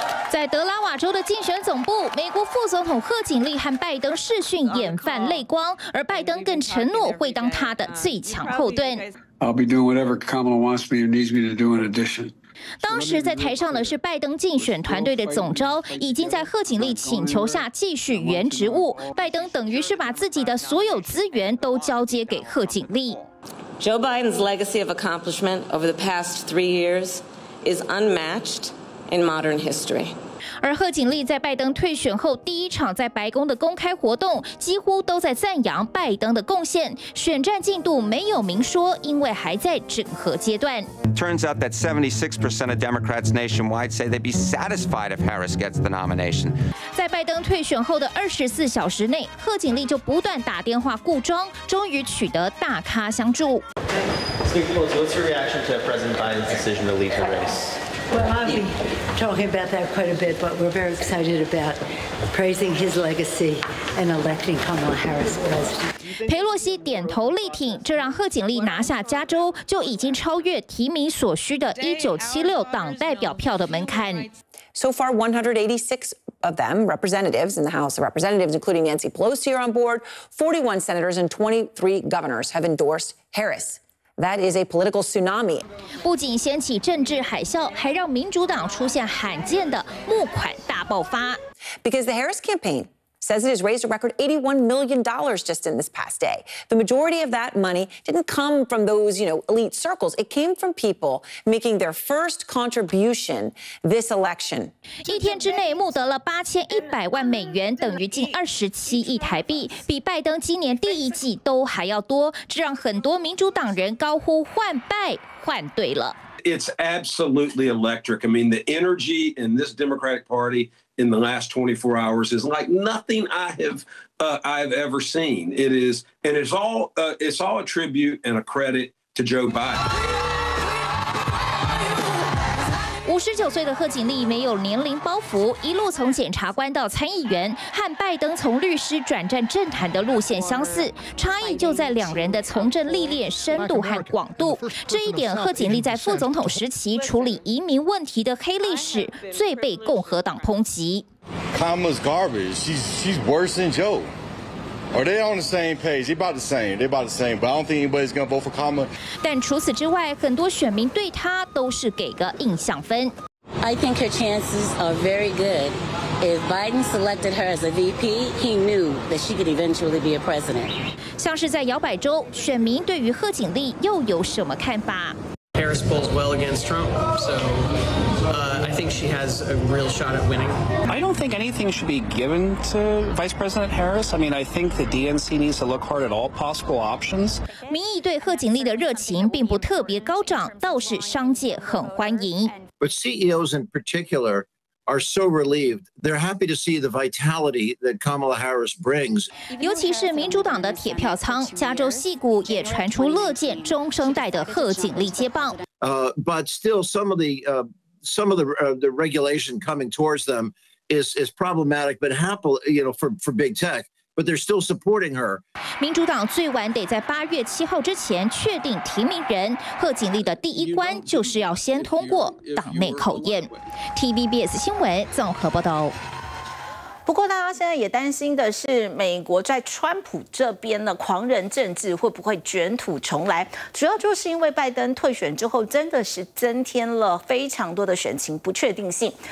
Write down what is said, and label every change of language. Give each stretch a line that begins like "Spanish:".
Chinese: 在德拉瓦州的竞选总部，美国副总统贺锦丽和拜登视讯眼泛泪光，而拜登更承诺会当他的最强后盾。
English: I'll be doing whatever Kamala wants me or needs me to do in addition.
Chinese: 当时在台上的是拜登竞选团队的总召，已经在贺锦丽请求下继续原职务。拜登等于是把自己的所有资源都交接给贺锦丽。
English: Joe Biden's legacy of accomplishment over the past 3 years is unmatched in modern history.
Chinese: 而贺锦丽在拜登退选后第一场在白宫的公开活动，几乎都在赞扬拜登的贡献。选战进度没有明说，因为还在整合阶段。
English: Turns out that 76% of Democrats nationwide say they'd be satisfied if Harris gets the nomination.
Chinese: 在拜登退选后的24小时内，贺锦丽就不断打电话雇佣，终于取得大咖相助。
English: What's your reaction to President Biden's decision to leave the race? Well, I've been talking about that quite a bit, but we're very excited about praising his legacy and electing Kamala Harris president.
Chinese: 佩洛西点头力挺，这让贺锦丽拿下加州就已经超越提名所需的1976党代表票的门槛。
English: So far, 186 of them, representatives in the House of Representatives, including Nancy Pelosi, are on board. 41 senators and 23 governors have endorsed Harris. That is a political tsunami.
Chinese: 不仅掀起政治海啸，还让民主党出现罕见的募款大爆发。
English: Because the Harris campaign says it has raised a record $81 million just in this past day. The majority of that money didn't come from those, you know, elite circles. It came from people making their first contribution this election.
Chinese: 一天之内募得了8100万美元，等于近27亿台币，比拜登今年第一季都还要多，这让很多民主党人高呼换拜换对了。
English: It's absolutely electric. I mean, the energy in this Democratic Party. In the last 24 hours is like nothing I've ever seen. It is, and it's all a tribute and a credit to Joe Biden.
Chinese: 59岁的贺锦丽没有年龄包袱，一路从检察官到参议员，和拜登从律师转战政坛的路线相似，差异就在两人的从政历练深度和广度。这一点，贺锦丽在副总统时期处理移民问题的黑历史，最被共和党抨击。
English: Kamala's garbage. She's worse than Joe. Are they on the same page? They about the same. They about the same. But I don't think anybody's gonna vote for Kamala.
Chinese: 但除此之外，很多选民对他都是给个印象分。
English: I think her chances are very good. If Biden selected her as a VP, he knew that she could eventually be a president.
Chinese: 像是在摇摆州，选民对于贺锦丽又有什么看法？
English: Harris pulls well against Trump, so I think she has a real shot at winning. I don't think anything should be given to Vice President Harris. I mean, I think the DNC needs to look hard at all possible options.
Chinese: 民意对贺锦丽的热情并不特别高涨，倒是商界很欢迎。
English: But CEOs in particular. Are so relieved. They're happy to see the vitality that Kamala Harris brings.
Chinese: 尤其是民主党的铁票仓，加州矽谷也传出乐见中生代的贺锦丽接棒。
English: But still, some of the regulation coming towards them is problematic. But happily, you know, for big tech, but they're still supporting her.
Chinese: 民主党最晚得在八月七号之前确定提名人。贺锦丽的第一关就是要先通过党内考验。 TVBS 新闻综合报道。不过大家现在也担心的是，美国在川普这边的狂人政治会不会卷土重来，主要就是因为拜登退选之后真的是增添了非常多的选情不确定性。